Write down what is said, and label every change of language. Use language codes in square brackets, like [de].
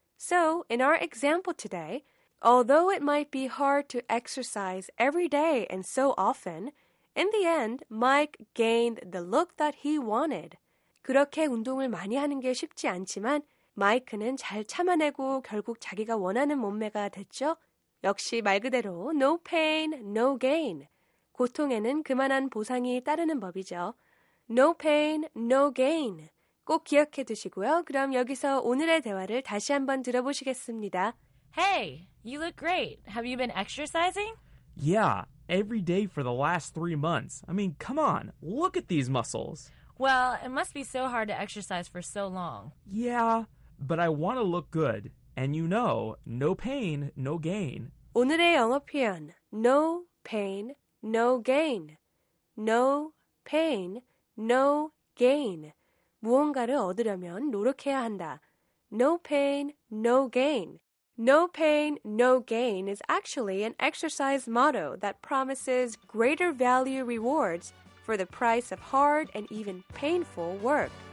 [en] So, in our example today, although it might be hard to exercise every day and so often, in the end, Mike gained the look that he wanted. [ko] 그렇게 운동을 많이 하는 게 쉽지 않지만 마이크는 잘 참아내고 결국 자기가 원하는 몸매가 됐죠. 역시 말 그대로 [en] no pain, no gain. [ko] 고통에는 그만한 보상이 따르는 법이죠. [en] No pain, no gain. [ko] 꼭 기억해 두시고요. 그럼 여기서 오늘의 대화를 다시 한번 들어보시겠습니다. [en] Hey, you look great. Have you been exercising? Yeah, every day for the last 3 months. I mean, come on, look at these muscles. Well, it must be so hard to exercise for so long. Yeah, but I want to look good. And you know, no pain, no gain. [ko] 오늘의 영어 표현, [en] no pain, no gain. No pain, no gain. [ko] 무언가를 얻으려면 노력해야 한다. [en] No pain, no gain. No pain, no gain is actually an exercise motto that promises greater value rewards for the price of hard and even painful work.